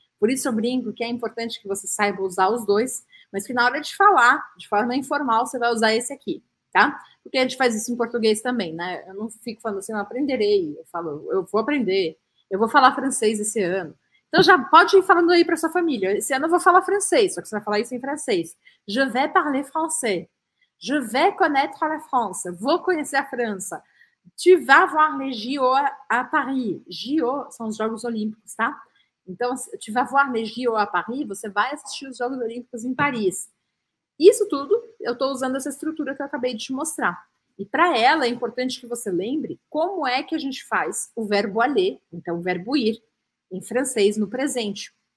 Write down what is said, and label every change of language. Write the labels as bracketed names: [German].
[Portuguese] Por isso eu brinco que é importante que você saiba usar os dois, mas que na hora de falar, de forma informal, você vai usar esse aqui, tá? Porque a gente faz isso em português também, né? Eu não fico falando assim, não aprenderei. Eu falo, eu vou aprender. Eu vou falar francês esse ano. Então já pode ir falando aí para sua família. Esse ano eu vou falar francês, só que você vai falar isso em francês. [French] Je vais parler français. Je vais connaître la France. [Portuguese] Vou conhecer a França. [French] Tu vas voir les JO à Paris. [Portuguese] JO são os Jogos Olímpicos, tá? Então, se [French] tu vas voir les JO à Paris, [Portuguese] você vai assistir os Jogos Olímpicos em Paris. Isso tudo, eu estou usando essa estrutura que eu acabei de te mostrar. E para ela, é importante que você lembre como é que a gente faz o verbo aller, então o verbo ir, em francês, no presente.